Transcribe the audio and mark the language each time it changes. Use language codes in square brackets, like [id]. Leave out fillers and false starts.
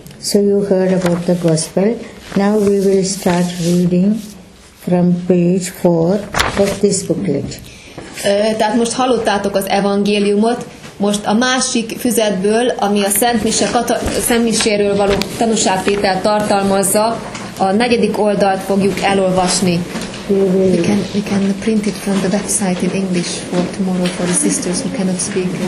[en] So you heard about the gospel. Now we will start reading from page 4 of this booklet. [hu] Tehát most hallottátok az evangéliumot. Most a másik füzetből, ami a Szentmiséről való tanúságtétel tartalmazza, a negyedik oldalt fogjuk elolvasni. [en] We can print it from the website in English for tomorrow for the sisters who cannot speak.